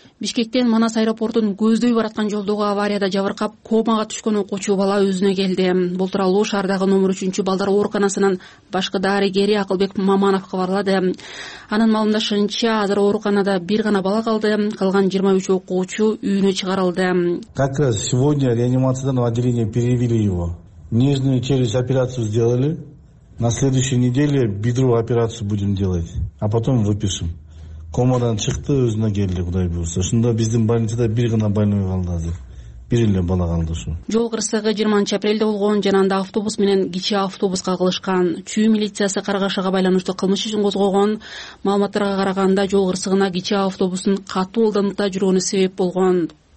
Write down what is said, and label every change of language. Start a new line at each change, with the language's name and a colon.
Kyrgyz: Бишкектен Манас аэропортун көздөй бараткан жолдогу аварияда жабыркап комага түшкөн окуучу бала өзүнө келди. Бул тууралуу шаардагы номер 3-чү балдар ооруканасынын башкы дарыгери Акылбек Маманов кабарлады. Анын маалымдашынча, азыр ооруканада бир гана бала калды, калган 23 окуучу үйүнө чыгарылды.
Russian: Как раз сегодня реанимациядан в отделение перевели его. Нижнюю челюсть операцию сделали. На следующей неделе бедровую операцию будем делать, а потом выпишем.
Kyrgyz: Комадан чыкты, өзүнө келди, кудай буюрса. Ушунда биздин больницада бир гана больной калды азыр. Бир эле бала калды ушу. Жол кырсыгы 20 апрелде болгон, жана анда автобус менен кичи автобус кагылышкан. Чүй милициясы каргашага байланыштуу кылмыш ишин козгогон. Маалыматтарга караганда жол кырсыгына кичи автобустун катуу ылдамдыкта жүргөнү себеп болгон.